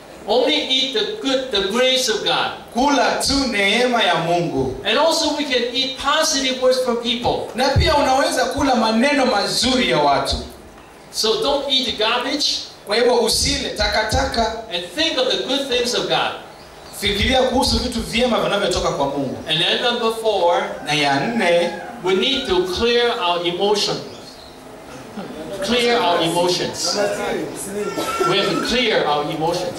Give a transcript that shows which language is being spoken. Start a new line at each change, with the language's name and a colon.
English: Only eat the grace of God.
Swahili: Kula tu neema ya Mungu.
English: And also we can eat positive words from people.
Swahili: Na pia unaweza kula maneno mazuri ya watu.
English: So don't eat garbage.
Swahili: Kwa hivyo usile takataka.
English: And think of the good things of God.
Swahili: Fikiria kuhusu vitu vyema vinavyotoka kwa Mungu.
English: And then number four.
Swahili: Na ya nne.
English: We need to clear our emotions. Clear our emotions. We have to clear our emotions.